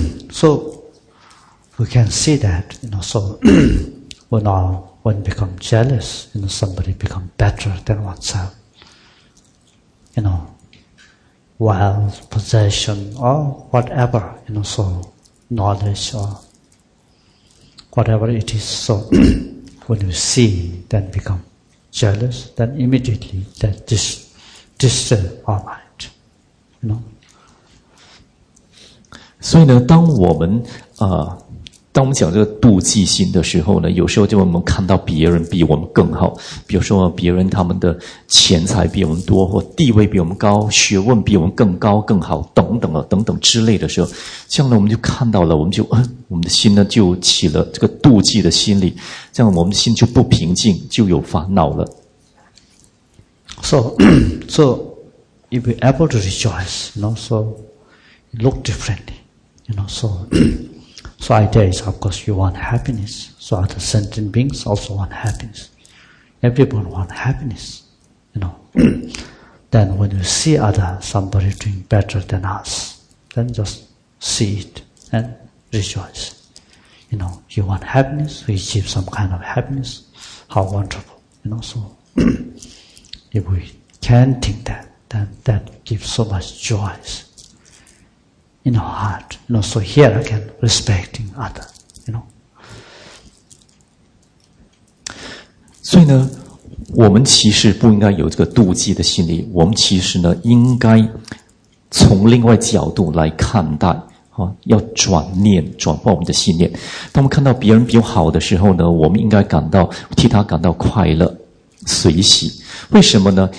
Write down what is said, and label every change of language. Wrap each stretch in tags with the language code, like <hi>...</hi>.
<en>So we can see that, you know, so when one become jealous, you know, somebody become better than oneself, you know, wealth, possession, or whatever, you know, so knowledge orWhatever it is, so when we see, then become jealous, then immediately that disturb our mind, you know.</en> <zh>所以呢，当我们当我们讲这个妒忌心的时候呢，有时候就我们看到别人比我们更好，比如说别人他们的钱财比我们多，或地位比我们高，学问比我们更高更好等等等等之类的时候，这样呢我们就看到了，我们就我们的心呢就起了这个妒忌的心理，这样我们心就不平静，就有烦恼了。</zh> <en>So if we able to rejoice, you know, so look differently, you know, so. So idea is, of course, you want happiness. So other sentient beings also want happiness. Everyone want happiness, you know. Then when you see other somebody doing better than us, then just see it and rejoice. You know, you want happiness, we achieve some kind of happiness. How wonderful, you know. So if we can think that, then that gives so much joy. In our heart, you know, so here again, respecting other, you know.</en> <zh>所以呢，我们其实不应该有这个妒忌的心理，我们其实呢，应该从另外角度来看待。要转念，转化我们的信念。当我们看到别人比我好的时候呢，我们应该感到，替他感到快乐，随喜。为什么呢？</zh>